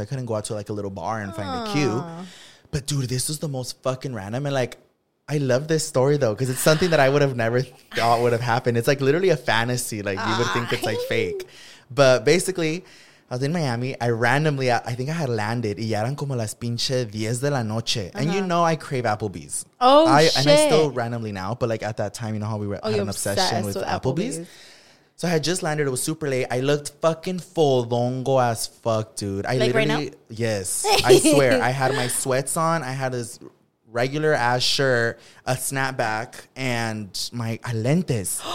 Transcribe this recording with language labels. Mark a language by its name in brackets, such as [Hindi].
[English] So I couldn't go out to like a little bar and find a queue. But dude, this was the most fucking random. And like, I love this story though, because it's something that I would have never thought would have happened. It's like literally a fantasy. Like, you would think it's like fake. But basically, I was in Miami. I randomly, I think I had landed. [Spanish] Y eran como las pinche 10 de la noche. Uh-huh. [English] And you know I crave Applebee's. Oh, I, shit. And I still randomly now. But like at that time, you know how we were, had an obsession with Applebee's. So I had just landed. It was super late. I looked fucking full. Longo as fuck, dude. I like literally, right now? Yes. I swear. I had my sweats on. I had this regular ass shirt, a snapback, and my lentes.